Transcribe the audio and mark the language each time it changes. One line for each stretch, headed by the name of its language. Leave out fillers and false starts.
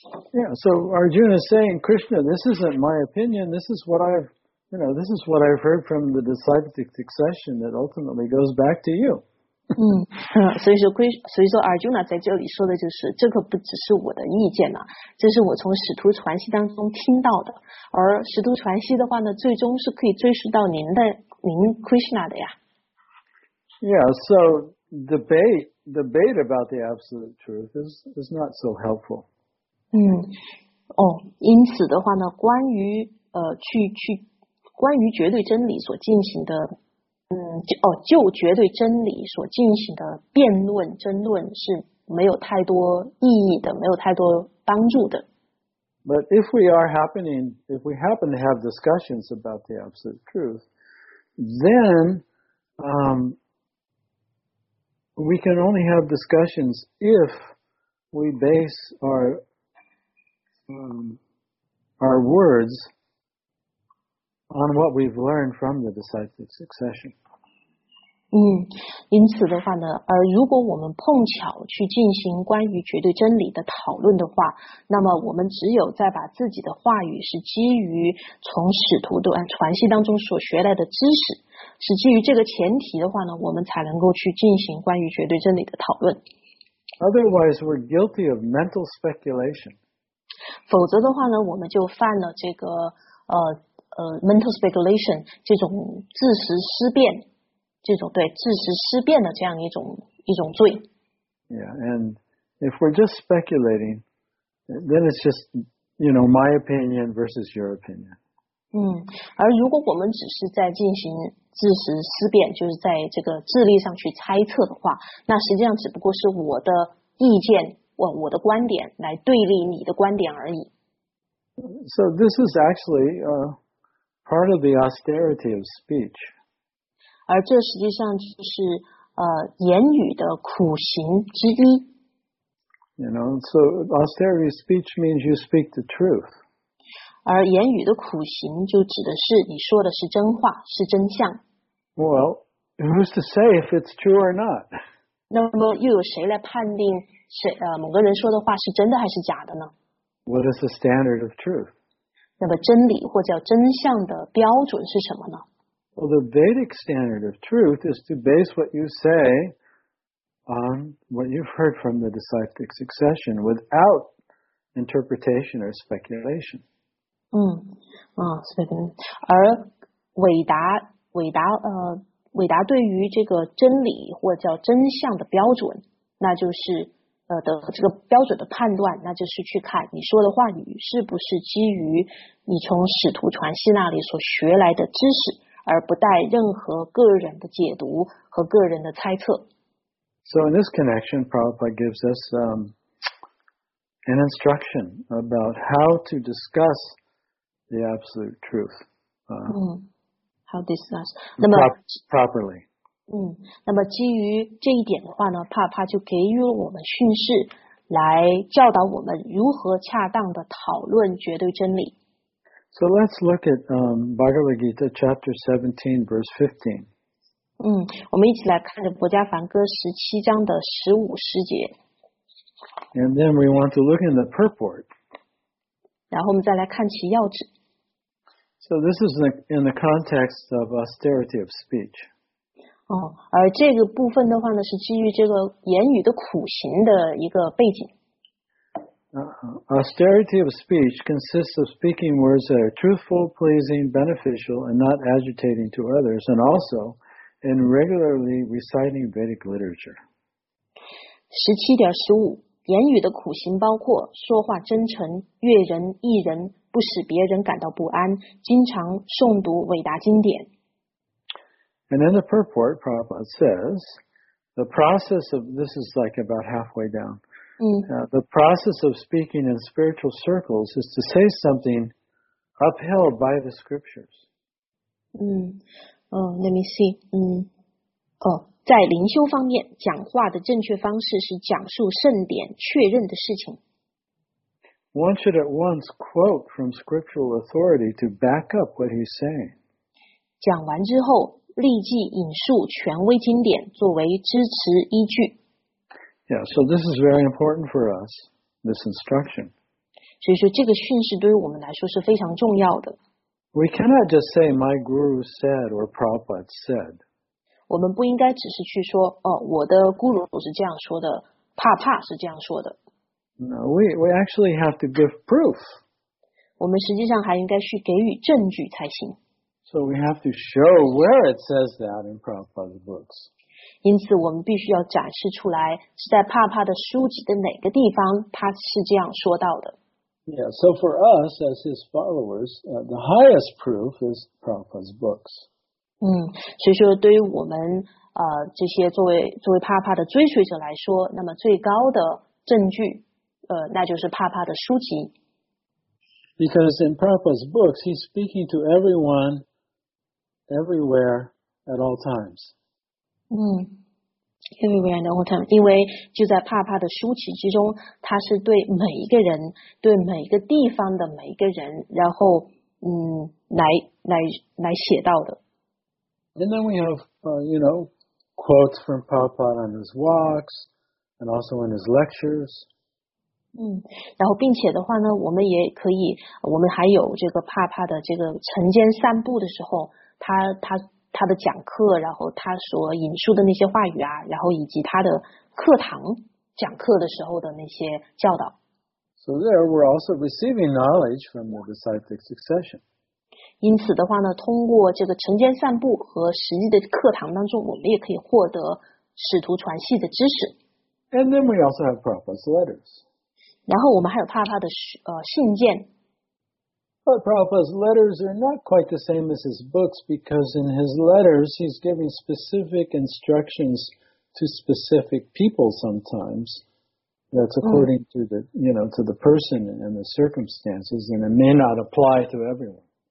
English: Yeah, so Arjuna is saying, Krishna, this isn't my opinion. This is what I've heard from the disciplic succession that ultimately goes back to you.
Chinese: 所以说 Arjuna 在这里说的就是，这可不只是我的意见了，这是我从使徒传系当中听到的，而使徒传系的话呢，最终是可以追溯到您 Krishna 的呀。
English: Yeah, so debate about the absolute truth is not so helpful.
Chinese: 因此的话呢，关于去关于绝对真理所进行的，就绝对真理所进行的辩论争论是没有太多意义的，没有太多帮助的。
English: But if we are happening, if we happen to have discussions about the absolute truth, then, we can only have discussions if we base our words on what we've learned from the disciplic succession.
Chinese: 因此的话呢，如果我们碰巧去进行关于绝对真理的讨论的话，那么我们只有在把自己的话语是基于从使徒的传习当中所学来的知识，是基于这个前提的话呢，我们才能够去进行关于绝对真理的讨论。
English: Otherwise, we're guilty of mental speculation.
Chinese: 否则的话呢，我们就犯了这个
English: mental speculation
Chinese: 这种自食思辨。这种对自食思辨的这样一种罪。
English: Yeah, and if we're just speculating, then it's just, you know, my opinion versus your opinion.
Chinese: 而如果我们只是在进行自食思辨，就是在这个智力上去猜测的话，那实际上只不过是我的意见，我的观点来对立你的观点而已。
English: So this is actually part of the austerity of speech.
Chinese: 而这实际上就是言语的苦行之一。
English: You know, so austerity speech means you speak the truth.
Chinese: 而言语的苦行就指的是你说的是真话，是真相。
English: Well, who's to say if it's true or not?
Chinese: 那么又有谁来判定某个人说的话是真的还是假的呢？
English: What is the standard of truth?
Chinese: 那么真理或叫真相的标准是什么呢？
English: Well, the Vedic standard of truth is to base what you say on what you've heard from the disciplic succession without interpretation or speculation.
Chinese: 而伟达对于这个真理或叫真相的标准，那就是的这个标准的判断，那就是去看你说的话语是不是基于你从使徒传习那里所学来的知识。而不带任何个人的解读和个人的猜测。
English: So in this connection, Prabhupada gives us an instruction about how to discuss the absolute truth. How discuss?
Chinese: 那么
English: properly.
Chinese: 那么基于这一点的话呢，帕帕就给予了我们训示，来教导我们如何恰当的讨论绝对真理。
English: So let's look at Bhagavad Gita chapter 17 verse 15.
Chinese: 我们一起来看着博迦梵歌十七章的十五十节。
English: And then we want to look in the purport.
Chinese: 然后我们再来看其要旨。
English: So this is in the context of austerity of speech.
Chinese: 而这个部分的话呢，是基于这个言语的苦行的一个背景。
English: Austerity of speech consists of speaking words that are truthful, pleasing, beneficial, and not agitating to others, and also in regularly reciting Vedic literature.
Chinese: 17.15 言语的苦行包括说话真诚，悦人益人，不使别人感到不安，经常诵读伟达经典。
English: And in the purport, Prabhupada says, the process of, this is like about halfway down,the process of speaking in spiritual circles is to say something upheld by the scriptures. Let me see.
Chinese: 在灵修方面，讲话的正确方式是讲述圣典确认的事情。
English: One should at once quote from scriptural authority to back up what he's saying.
Chinese: 讲完之后，立即引述权威经典作为支持依据。
English: Yeah, so this is very important for us, this instruction.
Chinese: 所以说这个训示对于我们来说是非常重要的。
English: We cannot just say my guru said or Prabhupada said.
Chinese: 我们不应该只是去说我的孤儒是这样说的，帕帕是这样说的。
English: No, we actually have to give proof.
Chinese: 我们实际上还应该去给予证据才行。
English: So we have to show where it says that in Prabhupada's books.
Chinese: 因此我们必须要展示出来是在帕帕的书籍的哪个地方他是这样说到的。
English: Yeah, so for us as his followers, the highest proof is Prabhupada's books.
Chinese: 所以说对于我们这些作为帕帕的追随者来说，那么最高的证据那就是帕帕的书籍。
English: Because in Prabhupada's books, he's speaking to everyone, everywhere, at all times. Everywhere and all time.
Chinese: 因为就在帕帕的书籍之中，他是对每一个人，对每一个地方的每一个人，然后来写到的。
English: And then we have, quotes from Prabhupada on his walks, and also in his lectures.
Chinese: 然后并且的话呢，我们还有这个帕帕的这个晨间散步的时候，他的讲课，然后他所引述的那些话语啊，然后以及他的课堂讲课的时候的那些教导。
English: So there we're also receiving knowledge from the disciplic succession.
Chinese: 因此的话呢，通过这个晨间散步和实际的课堂当中，我们也可以获得使徒传系的知识。
English: And then we also have Prabhupada's letters.
Chinese: 然后我们还有帕帕的信件。
English: But Prabhupada's letters are not quite the same as his books because in his letters he's giving specific instructions to specific people sometimes. That's according to the, to the person and the circumstances, and it may not apply to everyone.